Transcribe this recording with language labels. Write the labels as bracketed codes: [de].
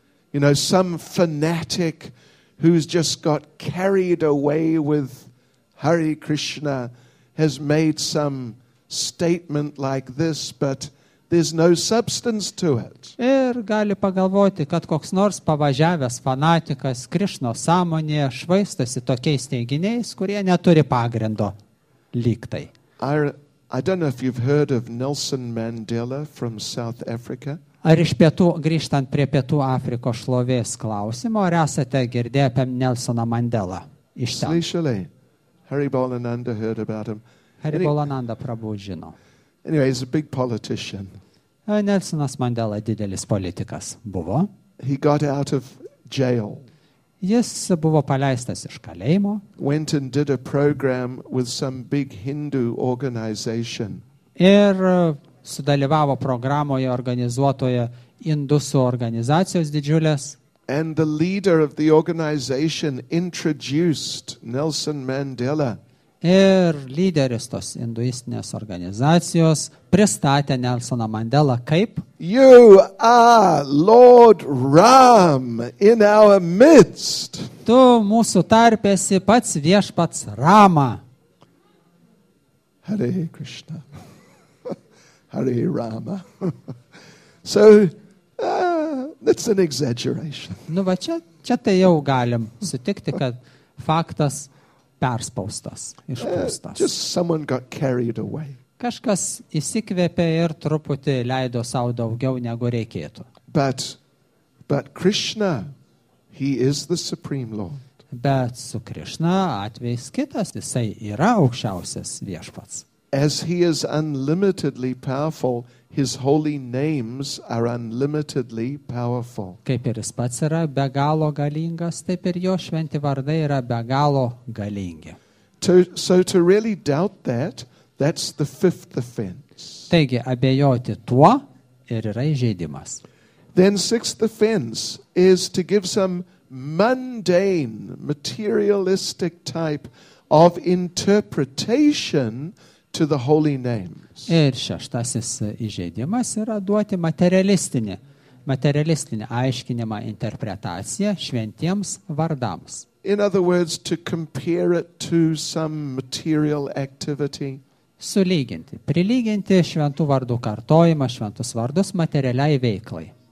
[en] You know, some fanatic who's just got carried away with Hare Krishna has made some statement like this, but there's no substance to it. [lt] Ir gali pagalvoti, kad koks nors pavažiavęs fanatikas Krishno sąmonėje švaistosi tokiais teiginiais, kurie neturi pagrindo lygtai. [en] I don't know if you've heard of Nelson Mandela from South Africa. [lt] Ar iš pietų, grįžtant prie pietų Afrikos šlovės klausimo, ar esate girdėję apie Nelsoną Mandelą iš ten? Slyšeliai. [en] Harry Bolananda heard about him. [lt] Harry Bolananda prabū žino. [en] Anyway, he's a big politician. [lt] Nelsonas Mandela didelis politikas buvo. [en] He got out of jail. [lt] Jis buvo paleistas iš kalėjimo. [en] Went and did a program with some big Hindu organization. [lt] Ir sudalyvavo programoje organizuotoje indusų organizacijos didžiulės. [en] And the leader of the organization introduced Nelson Mandela. [lt] Ir lyderis tos induistinės organizacijos pristatė Nelsoną Mandelą kaip: [en] You are Lord Ram in our midst. [lt] Tu mūsų tarpėsi pats viešpats Rama. [sa] Hare Krishna. Hare Rama. [en] So, that's an exaggeration. [lt] Nu va čia tai jau galim sutikti, kad faktas perspaustas, išpaustas. [en] Just someone got carried away. [lt] Kažkas įsikvėpė ir truputį leido sau daugiau negu reikėtų. [en] But Krishna, he is the supreme lord. [lt] Bet su Krishna atvejis kitas, jisai yra aukščiausias viešpats. [en] As he is unlimitedly powerful, his holy names are unlimitedly powerful. [lt] Kaip ir jis pats yra be galo galingas, taip ir jo šventi vardai yra be galo galingi. [en] So to really doubt that's the fifth offense. [lt] Taigi abejoti tuo ir yra įžeidimas. [en] Then sixth offense is to give some mundane, materialistic type of interpretation to the holy names. [lt] Ir šeštasis įžeidimas yra duoti materialistinį aiškinimą, interpretaciją šventiems vardams. [en] In other words, to compare it to some material activity. [lt] Sulyginti, prilyginti šventų vardų kartojimą, šventus vardus materialiai veiklai.